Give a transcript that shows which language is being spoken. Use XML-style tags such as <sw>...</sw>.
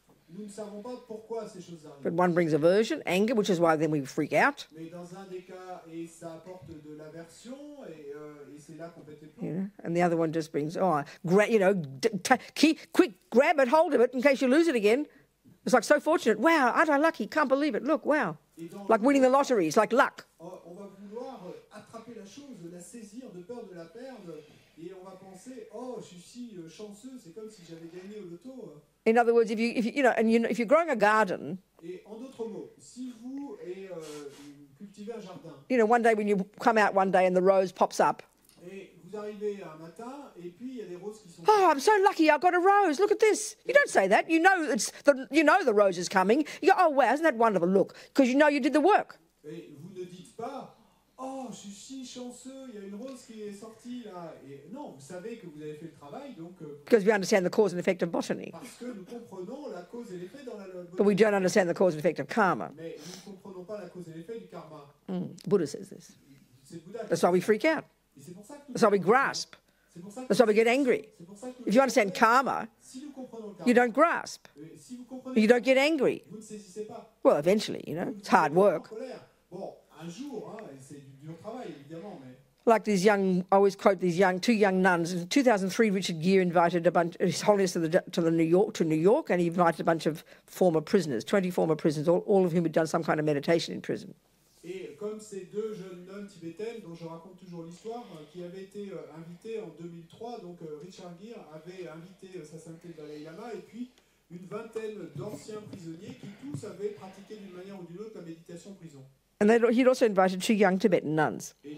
<fr>Nous ne savons pas pourquoi ces choses arrivent.</fr> <en>But one brings aversion, anger, which is why then we freak out. And the other one just brings, grab it, hold of it in case you lose it again. It's like so fortunate. Wow, aren't I lucky? Can't believe it. Look, wow. Like winning the lottery. It's like luck.</en> <fr>On va vouloir attraper la chose, la saisir de peur de la perdre. Et on va penser, oh, je suis si chanceux, c'est comme si j'avais gagné au loto.</fr> <en>In other words, if you're growing a garden,</en> <fr>et en d'autres mots, si vous et, cultivez un jardin,</fr> <en>you know, one day when you come out one day and the rose pops up,</en> <fr>et vous arrivez un matin, et puis il y a des roses qui sont...</fr> <en>Oh, I'm so lucky, I've got a rose, look at this. You don't say that, you know the rose is coming. You go, oh, wow, isn't that wonderful, look, because you know you did the work.</en> <fr>Et vous ne dites pas... Oh, je suis si chanceux, il y a une rose qui est sortie là. Et non, vous savez que vous avez fait le travail, donc...</fr> <en>Because we understand the cause and effect of botany.</en> <fr>Parce que nous comprenons la cause et l'effet dans la botanique.</fr> <en>But we don't understand the cause and effect of karma.</en> <fr>Mais nous ne comprenons pas la cause et l'effet du karma.</fr> <en>The Buddha says this.</en> <fr>C'est Bouddha.</fr> <en>That's why we freak out.</en> <fr>Et c'est pour ça que</fr> <en>That's why we grasp.</en> <fr>C'est pour ça que</fr> <en>That's why we get angry.</en> <fr>C'est pour ça que</fr> <en>if you understand karma,</en> <fr>si nous comprenons</fr> <en>karma, you don't grasp.</en> <fr>Si vous comprenez</fr> <en>you don't get angry.</en> <fr>Vous ne saisissez pas.</fr> <en>Well, eventually, you know, it's hard work.</en> <fr>Un jour, hein, c'est du dur travail, évidemment, mais...</fr> <en>Like these young, I always quote these young, two young nuns. In 2003, Richard Gere invited a bunch, His Holiness to New York, and he invited a bunch of former prisoners, 20 former prisoners, all of whom had done some kind of meditation in prison.</en> <fr>Et comme ces deux jeunes nuns tibétaines, dont je raconte toujours l'histoire, qui avaient été invités en 2003, donc Richard Gere avait invité sa sainteté Dalai Lama, et puis une vingtaine d'anciens prisonniers qui tous avaient pratiqué d'une manière ou d'une autre la méditation prison.</fr> <en>And he'd also invited two young Tibetan nuns.</en>